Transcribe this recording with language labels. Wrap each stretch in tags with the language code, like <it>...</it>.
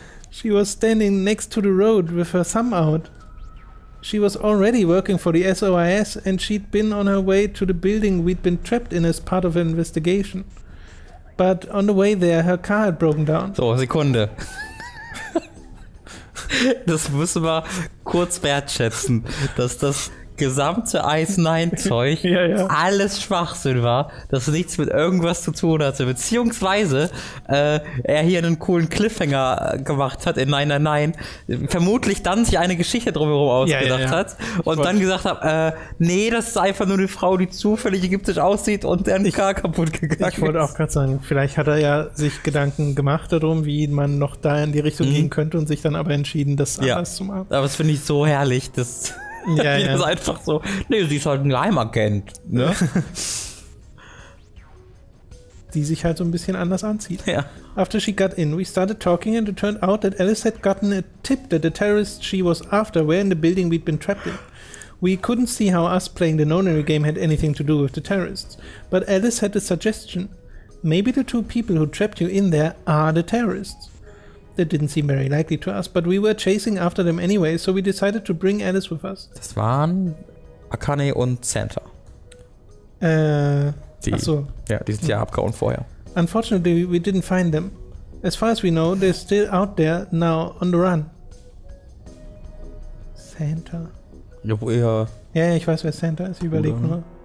<en>She was standing next to the road with her thumb out. She was already working for the SOIS and she'd been on her way to the building we'd been trapped in as part of an investigation. But on the way there, her car had broken down.</en> <de>So, Sekunde. Das müssen wir kurz wertschätzen, dass das gesamte Ice-9-Zeug alles Schwachsinn war, das nichts mit irgendwas zu tun hatte, beziehungsweise er hier einen coolen Cliffhanger gemacht hat in 999, vermutlich dann sich eine Geschichte drumherum ausgedacht hat und dann gesagt hat, nee, das ist einfach nur eine Frau, die zufällig ägyptisch aussieht und deren Car kaputt gegangen ist. Ich wollte auch gerade sagen, vielleicht hat er ja sich Gedanken gemacht darum, wie man noch da in die Richtung gehen könnte und sich dann aber entschieden, das anders zu machen. Aber das finde ich so herrlich, dass die ist einfach so, nee, sie ist halt ein Geheimagent, ne? Die sich halt so ein bisschen anders anzieht. Ja.</de> <en>After she got in, we started talking and it turned out that Alice had gotten a tip that the terrorists she was after were in the building we'd been trapped in. We couldn't see how us playing the Nonary game had anything to do with the terrorists. But Alice had a suggestion. Maybe the two people who trapped you in there are the terrorists. That didn't seem very likely to us, but we were chasing after them anyway, so we decided to bring Alice with us.</en> <de>Das waren Akane und Santa. Ja, die sind ja abgehauen vorher.</de> <en>Unfortunately, we didn't find them. As far as we know, they're still out there now on the run. Santa.</en> <de>Ja, ich weiß, wer Santa ist, ich überlege nur.</de>